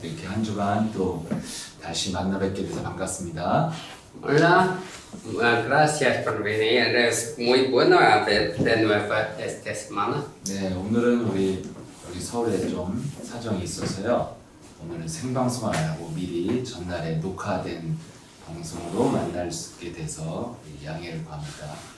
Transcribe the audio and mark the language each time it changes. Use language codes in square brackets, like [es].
[ko] 이렇게 한 주간 또 다시 만나 뵙게 돼서 반갑습니다. [es] Hola, gracias por venir. Es muy bueno haber de nuevo esta semana. [ko] 네, 오늘은 우리 서울에 좀 사정이 있어서요. 오늘은 생방송 안 하고 미리 전날에 녹화된 방송으로 만날 수 있게 돼서 양해를 구합니다.